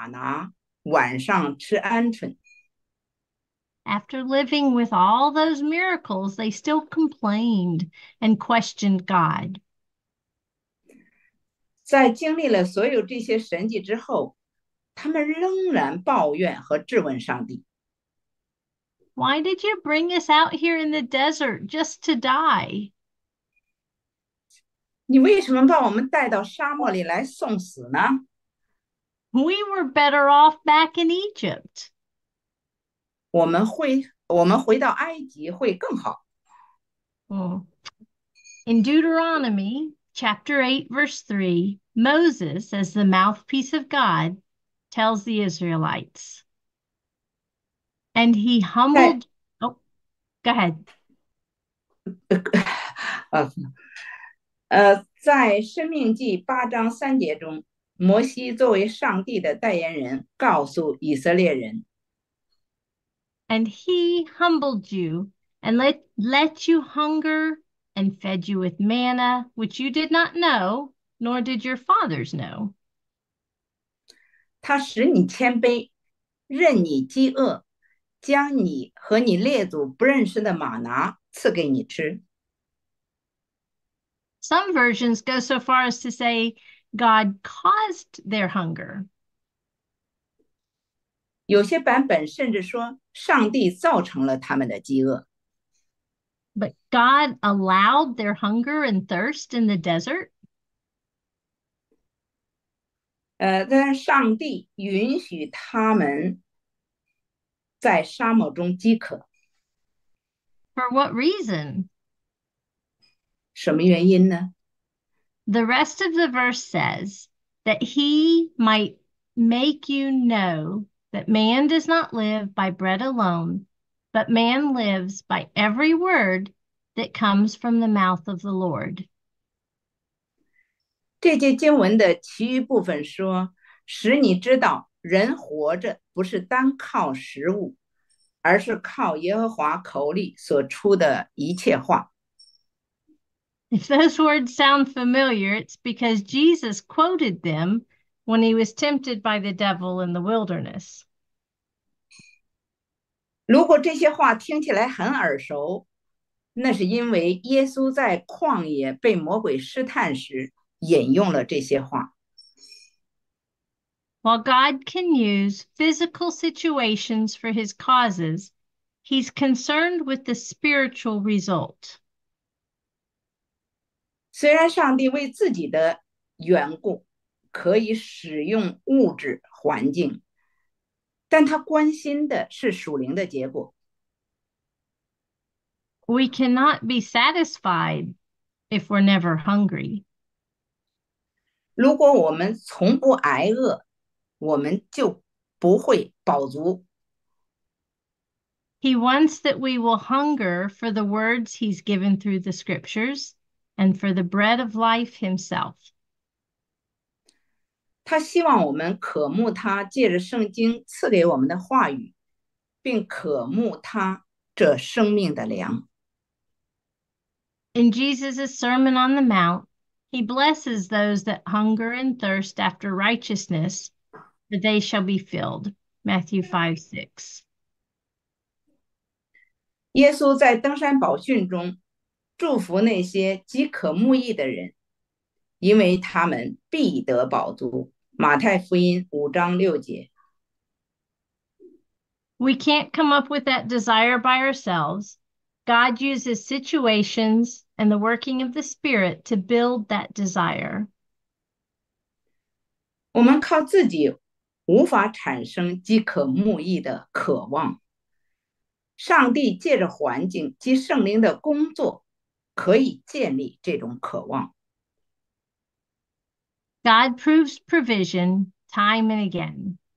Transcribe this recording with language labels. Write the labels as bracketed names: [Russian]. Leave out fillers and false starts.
[Chinese] 他们得到上帝超自然的喂养，早上吃玛拿，晚上吃鹌鹑。 [English] After living with all those miracles, they still complained and questioned God. [Chinese] 在经历了所有这些神迹之后，他们仍然抱怨和质问上帝。 [English] Why did you bring us out here in the desert just to die? [Chinese] 你为什么把我们带到沙漠里来送死呢？ [English] We were better off back in Egypt. [Chinese] 我们回到埃及会更好。 [English] In Deuteronomy chapter 8, verse 3, Moses, as the mouthpiece of God, tells the Israelites. And he humbled. Oh, go ahead. [Chinese] 在《申命记》八章三节中，摩西作为上帝的代言人，告诉以色列人。 [English] And he humbled you and let you hunger and fed you with manna, which you did not know, nor did your fathers know. [Chinese] 他使你谦卑，任你饥饿，将你和你列祖不认识的玛拿赐给你吃。 [English] Some versions go so far as to say God caused their hunger. [Chinese] 有些版本甚至说上帝造成了他们的饥饿。 [English] But God allowed their hunger and thirst in the desert? [Chinese] 但上帝允许他们在沙漠中饥渴。 [English] For what reason? [Chinese] 什么原因呢？ [English] The rest of the verse says that he might make you know that man does not live by bread alone, but man lives by every word that comes from the mouth of the Lord. [Chinese] 这节经文的其余部分说，使你知道人活着不是单靠食物，而是靠耶和华口里所出的一切话。 [English] If those words sound familiar, it's because Jesus quoted them when he was tempted by the devil in the wilderness. [Chinese] 如果这些话听起来很耳熟，那是因为耶稣在旷野被魔鬼试探时引用了这些话。 [English] While God can use physical situations for his causes, he's concerned with the spiritual result. [Chinese] 虽然上帝为自己的缘故可以使用物质环境，但他关心的是属灵的结果。 [English] We cannot be satisfied if we're never hungry. [Chinese] 如果我们从不挨饿，我们就不会饱足。 [English] He wants that we will hunger for the words he's given through the scriptures and for the bread of life himself. [Chinese] 他希望我们渴慕他借着圣经赐给我们的话语，并渴慕他这生命的粮。 [English] In Jesus' Sermon on the Mount, he blesses those that hunger and thirst after righteousness, for they shall be filled. Matthew 5:6. [Chinese] 耶稣在登山宝训中祝福那些饥渴慕义的人，因为他们必得饱足。马太福音五章六节。 [English] We can't come up with that desire by ourselves. God uses situations and the working of the Spirit to build that desire. [Chinese] 我们靠自己无法产生饥渴慕义的渴望。上帝借着环境及圣灵的工作可以建立这种渴望。 [English] God proves provision time and again.